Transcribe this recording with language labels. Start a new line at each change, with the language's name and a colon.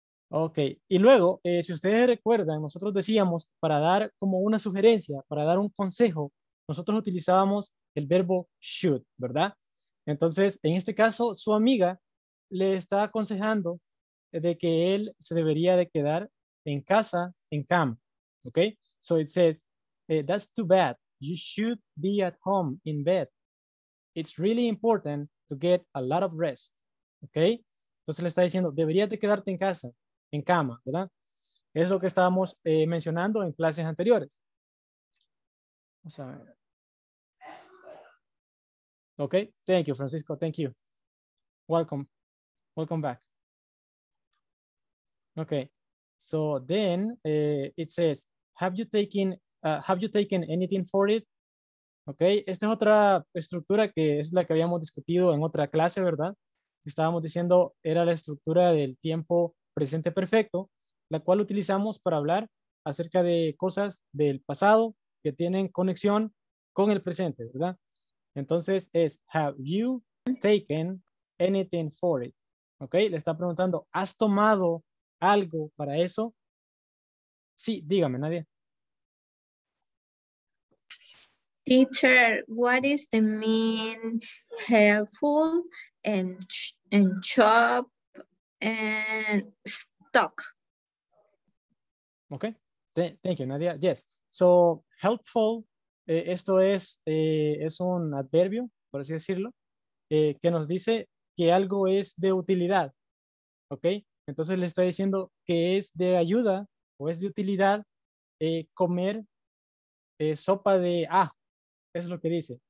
Spanish: Ok, y luego, si ustedes recuerdan, nosotros decíamos para dar como una sugerencia, para dar un consejo, nosotros utilizábamos el verbo should, ¿verdad? Entonces, en este caso, su amiga le está aconsejando de que él se debería de quedar en casa, en cama, ¿ok?
English: So it says, that's too bad. You should be at home in bed. It's really important to get a lot of rest, ¿ok?
Spanish: Entonces le está diciendo, deberías de quedarte en casa, en cama, ¿verdad? Es lo que estábamos mencionando en clases anteriores. O sea,
English: okay, thank you, Francisco. Thank you. Welcome. Welcome back. Okay, so then it says, have you taken anything for it?
Spanish: Okay, esta es otra estructura que es la que habíamos discutido en otra clase, ¿verdad? Estábamos diciendo, era la estructura del tiempo presente perfecto, la cual utilizamos para hablar acerca de cosas del pasado que tienen conexión con el presente, ¿verdad? Entonces es,
English: have you taken anything for it?
Spanish: Okay, le está preguntando, ¿has tomado algo para eso? Sí, dígame, Nadia.
English: Teacher, what is the mean helpful and chop and stock? Okay, thank you, Nadia. Yes, so
Spanish: helpful, esto es un adverbio, por así decirlo, que nos dice que algo es de utilidad, ¿ok? Entonces le está diciendo que es de ayuda o es de utilidad comer sopa de ajo. Eso es lo que dice.